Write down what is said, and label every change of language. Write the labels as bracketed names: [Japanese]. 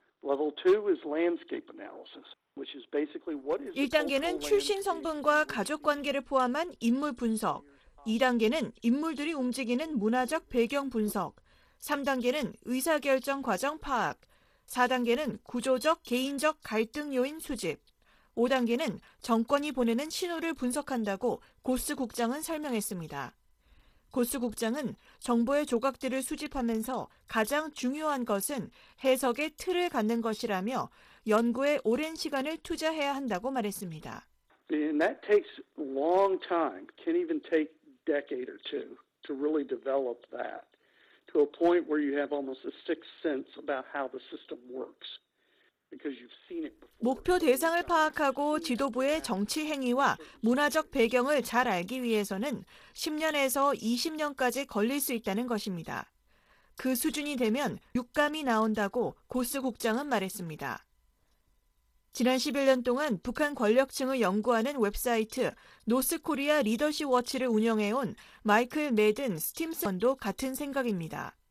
[English] Level two is landscape analysis, which is basically what is. [Korean] 1단계는 출신 성분과 가족 관계를 포함한 인물 분석. 2단계는 인물들이 움직이는 문화적 배경 분석, 3단계는 의사결정 과정 파악, 4단계는 구조적 개인적 갈등 요인 수집, 5단계는 정권이 보내는 신호를 분석한다고 고스 국장은 설명했습니다. 고스 국장은 정보의 조각들을 수집하면서 가장 중요한 것은 해석의 틀을 갖는 것이라며 연구에 오랜 시간을 투자해야 한다고 말했습니다. [English] And that takes long time. Can't even take decade or two to really develop that to a point where you have almost a sixth sense about how the system works because you've seen it before. [Korean] 목표 대상을 파악하고 지도부의 정치 행위와 문화적 배경을 잘 알기 위해서는 10년에서 20년까지 걸릴 수 있다는 것입니다. 그 수준이 되면 육감이 나온다고 고스 국장은 말했습니다. 지난 11년 동안 북한 권력층을 연구하는 웹사이트 노스코리아 리더십 워치를 운영해온 마이클 매든 스팀슨도 같은 생각입니다.